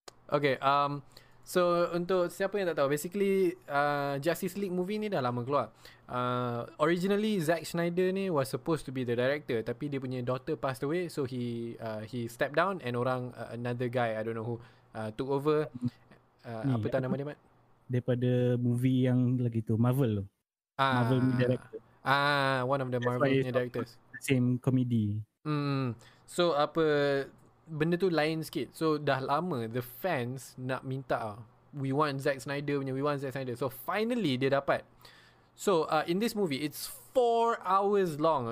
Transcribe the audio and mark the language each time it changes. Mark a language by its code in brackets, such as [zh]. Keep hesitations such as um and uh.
[ms] Okay, um, So untuk siapa yang tak tahu basically uh, Justice League movie ni dah lama keluar. [en] Uh, originally Zack Snyder ni was supposed to be the director [ms] tapi dia punya [en] daughter passed away so he uh, he stepped down and orang uh, another guy I don't know who uh, took over uh, [ms] ni, apa tanda nama dia Mat? daripada movie yang lagi tu Marvel tu. [en] Ah, Marvel director. Ah one of the That's Marvel directors. The same comedy. [ms] Hmm. So apa benda tu lain sikit. [en] So [ms] dah lama [en] the fans [ms] nak minta ah [en] we want Zack Snyder punya, we want Zack Snyder. [ms] So finally dia dapat. [en] So uh, in this movie it's 4 hours long.